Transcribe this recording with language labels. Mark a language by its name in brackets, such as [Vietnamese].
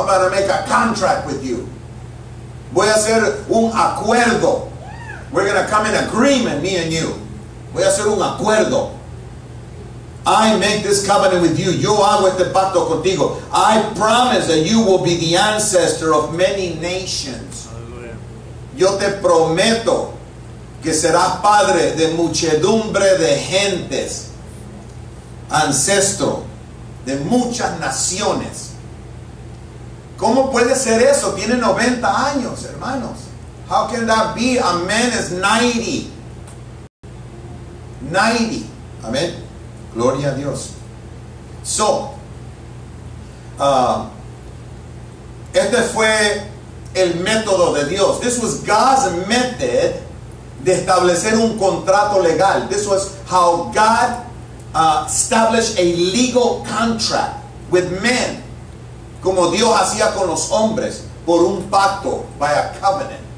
[English] I'm going to make a contract with you. [Spanish] Voy a hacer un acuerdo. [English] We're going to come in agreement, me and you. [Spanish] Voy a hacer un acuerdo. [English] I make this covenant with you. [Spanish] Yo hago este pacto contigo. [English] I promise that you will be the ancestor of many nations. Hallelujah. [Spanish] Yo te prometo que serás padre de muchedumbre de gentes. Ancestro de muchas naciones. ¿Cómo puede ser eso? Tiene 90 años, hermanos. [English] How can that be? A man is 90. [Spanish] 90. Amén. Gloria a Dios. So, este fue el método de Dios. [English] This was God's method [Spanish] de establecer un contrato legal. [English] This was how God established a legal contract with men. [Spanish] Como Dios hacía con los hombres, por un pacto, [English] by a covenant.